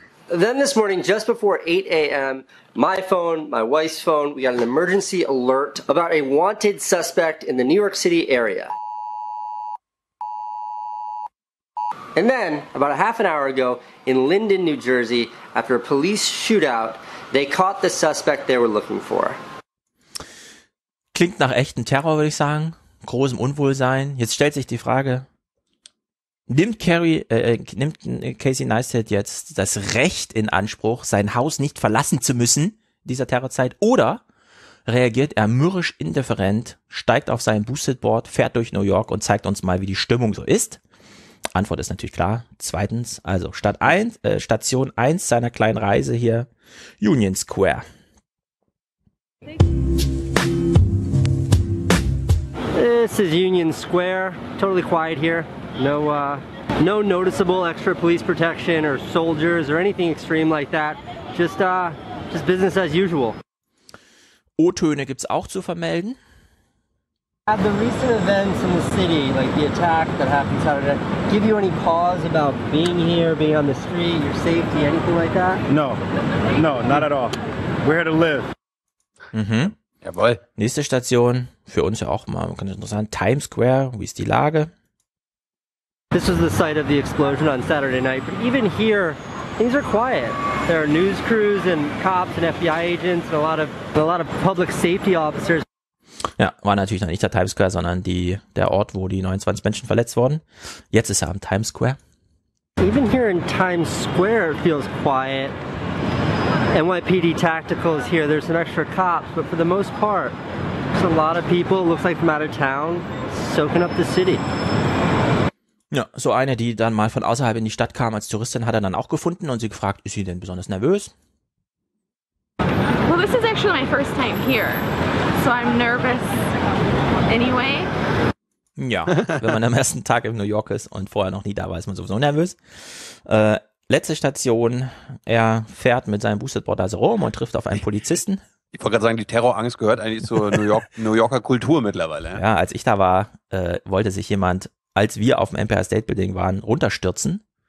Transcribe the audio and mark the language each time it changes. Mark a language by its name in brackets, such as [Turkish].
[English] Then this morning, just before 8 a.m., my phone, my wife's phone, we got an emergency alert about a wanted suspect in the New York City area. And then, about a half an hour ago, in Linden, New Jersey, after a police shootout, they caught the suspect they were looking for. [German] Klingt nach echtem Terror, würde ich sagen. Großem Unwohlsein. Jetzt stellt sich die Frage, nimmt Casey Neistat jetzt das Recht in Anspruch, sein Haus nicht verlassen zu müssen in dieser Terrorzeit, oder reagiert er mürrisch indifferent, steigt auf sein Boosted-Board, fährt durch New York und zeigt uns mal, wie die Stimmung so ist? Antwort ist natürlich klar. Zweitens, also Station 1 seiner kleinen Reise hier, Union Square. [English] This is Union Square, totally quiet here. No noticeable extra police protection or soldiers or anything extreme like that. Just business as usual. [German] O-Töne gibt's auch zu vermelden. [English] Have the recent events in the city, like the attack that happened Saturday, give you any pause about being here, being on the street, your safety, anything like that? No, not at all. We're here to live. Mhm. [German] Jawohl. Nächste Station, für uns ja auch mal ganz interessant, Times Square, wie ist die Lage? [English] This was the site of the explosion on Saturday night, but even here, things are quiet. There are news crews and cops and FBI agents and a lot of public safety officers. [German] Ja, war natürlich noch nicht der Times Square, sondern der Ort, wo die 29 Menschen verletzt wurden. Jetzt ist er am Times Square. [English] Even here in Times Square, it feels quiet. NYPD Tactical is here. There's some extra cops, but for the most part, there's a lot of people, looks like from out of town, soaking up the city. [German] Ja, so eine, die dann mal von außerhalb in die Stadt kam als Touristin, hat er dann auch gefunden und sie gefragt, ist sie denn besonders nervös? [English] Well, this is actually my first time here, so I'm nervous anyway. [German] Ja, wenn man am ersten Tag in New York ist und vorher noch nie da war, ist man sowieso nervös. Letzte Station, er fährt mit seinem Boosterboard also rum und trifft auf einen Polizisten. Ich wollte gerade sagen, die Terrorangst gehört eigentlich zur New Yorker Kultur mittlerweile. Ja, als ich da war, wollte sich jemand, als wir auf dem Empire State Building waren, runterstürzen.